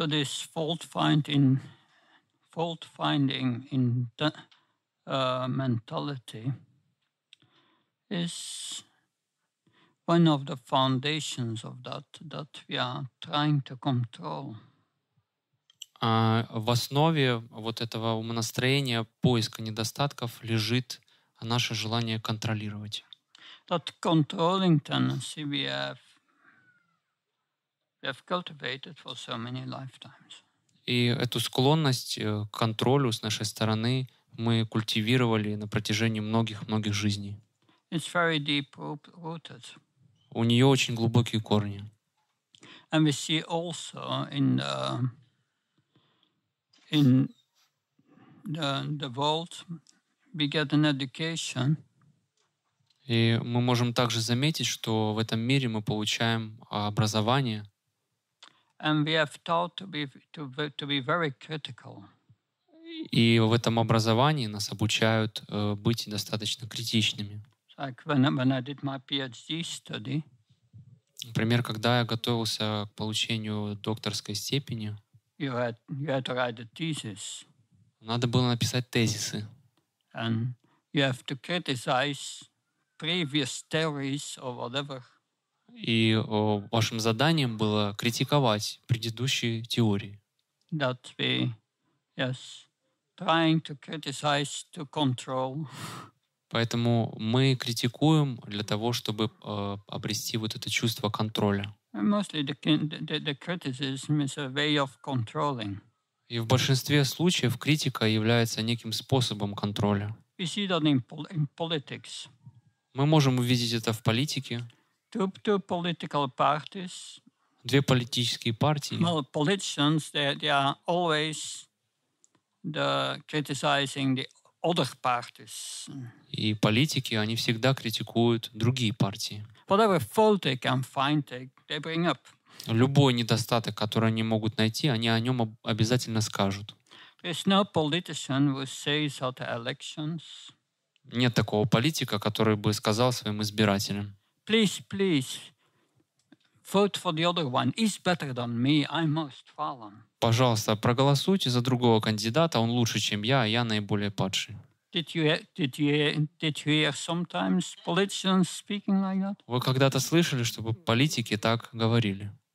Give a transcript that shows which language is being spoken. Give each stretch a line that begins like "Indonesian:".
English: So this fault-finding in the mentality is one of the foundations of that we are trying to control.
Russian: В основе вот этого умонастроения поиска недостатков лежит наше желание контролировать.
English: That controlling tendency we have cultivated for so many lifetimes.
Russian: И эту склонность к контролю с нашей стороны мы культивировали на протяжении многих-многих жизней.
English: It's very deep rooted.
Russian: У нее очень глубокие корни.
English: And we see also in the world, we get an education.
Russian: И мы можем также заметить, что в этом мире мы получаем образование.
English: And we have taught to be very critical.
Russian: И в этом образовании нас обучают быть достаточно критичными.
English: Like when I did my PhD study.
Russian: Например, когда я готовился к получению докторской степени,
English: you had to write a thesis.
Russian: Надо было написать тезисы.
English: And you have to criticize previous theories or whatever.
Russian: И вашим заданием было критиковать предыдущие теории.
English: That we, yes, trying to criticize to control.
Russian: Поэтому мы критикуем для того, чтобы обрести вот это чувство контроля.
English: And mostly the criticism is a way of controlling.
Russian: И в большинстве случаев критика является неким способом контроля.
English: We see that in politics.
Russian: Мы можем увидеть это в политике.
English: Two political parties.
Russian: Две политические партии.
English: Well, politicians, they are always criticizing the other parties.
Russian: И политики, они всегда критикуют другие партии.
English: Whatever fault they can find, they bring up.
Russian: Любой недостаток, который они могут найти, они о нем обязательно скажут.
English: There's no politician who says at the elections.
Russian: Нет такого политика, который бы сказал своим избирателям:
English: Please, vote for the other one. He's better than me. I must fall.
Russian: Пожалуйста, проголосуйте за другого кандидата. Он лучше, чем я, а я наиболее падший.
English: Did you hear sometimes politicians speaking like that?
Russian: Вы когда-то слышали, чтобы политики так говорили?